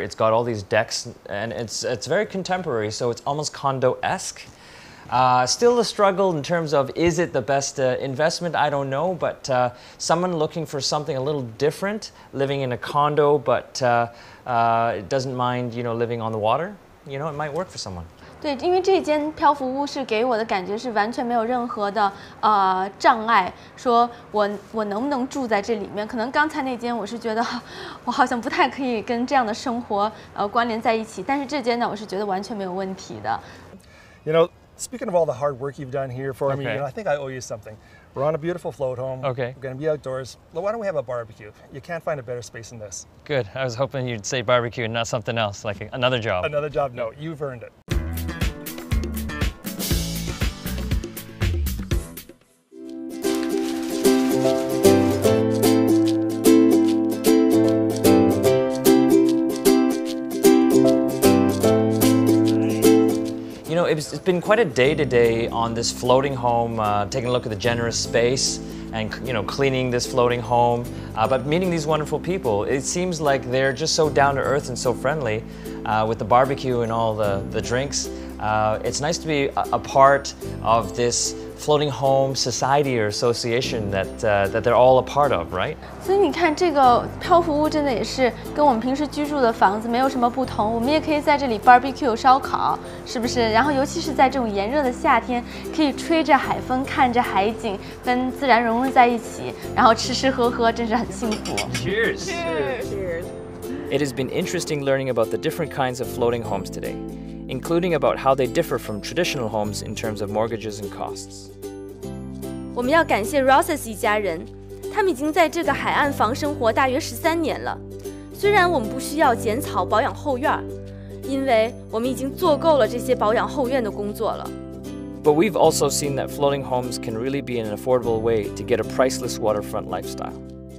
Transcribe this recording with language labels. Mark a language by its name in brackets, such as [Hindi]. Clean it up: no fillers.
[English] It's got all these decks, and it's very contemporary, so it's almost condo-esque. Still a struggle in terms of, is it the best investment? I don't know, but someone looking for something a little different, living in a condo, but doesn't mind, you know, living on the water, you know, it might work for someone. [Chinese] 对，因为这间漂浮屋是给我的感觉是完全没有任何的障碍，说我能不能住在这里面？可能刚才那间我是觉得我好像不太可以跟这样的生活关联在一起，但是这间呢，我是觉得完全没有问题的。 [English] You know, speaking of all the hard work you've done here for me, you know, I think I owe you something. We're on a beautiful float home. Okay. We're going to be outdoors. Well, why don't we have a barbecue? You can't find a better space than this. Good. I was hoping you'd say barbecue and not something else, like another job. Another job? No, you've earned it. It's been quite a day today on this floating home, taking a look at the generous space and, you know, cleaning this floating home, but meeting these wonderful people. It seems like they're just so down to earth and so friendly with the barbecue and all the drinks. It's nice to be a part of this floating home society or association that they're all a part of, right? [Chinese] 所以你看，这个漂浮屋真的也是跟我们平时居住的房子没有什么不同。我们也可以在这里 barbecue 烧烤，是不是？然后尤其是在这种炎热的夏天，可以吹着海风，看着海景，跟自然融入在一起，然后吃吃喝喝，真是很幸福。 [English] Cheers! It has been interesting learning about the different kinds of floating homes today. including about how they differ from traditional homes in terms of mortgages and costs. [Chinese] 我们要感谢 Rosses 一家人，他们已经在这个海岸房生活大约13年了。虽然我们不需要剪草保养后院，因为我们已经做够了这些保养后院的工作了。 [English] But we've also seen that floating homes can really be an affordable way to get a priceless waterfront lifestyle.